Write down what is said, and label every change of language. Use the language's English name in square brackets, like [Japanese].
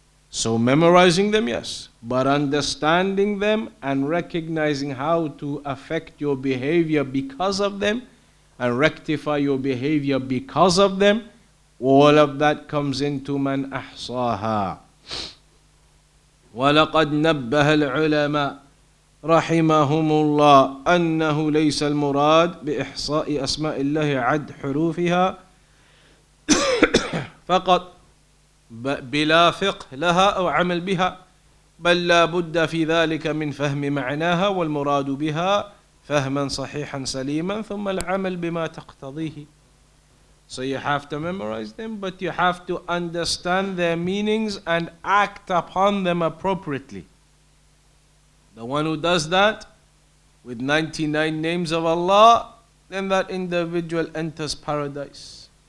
[English] So memorizing them, yes, but understanding them and recognizing how to affect your behavior because of them and rectify your behavior because of them, all of that comes into man ahsaha. [Arabic] وَلَقَدْ نَبَّهَ الْعُلَمَاءُ رحمهم الله أنه ليس المراد بإحصاء أسماء الله عد حروفها فقط بلا فقه لها أو عمل بها بل لا بد في ذلك من فهم معناها والمراد بها فهما صحيحا سليما ثم العمل بما تقتضيه. [English] So you have to memorize them, but you have to understand their meanings and act upon them appropriately. The one who does that with 99 names of Allah, then that individual enters paradise.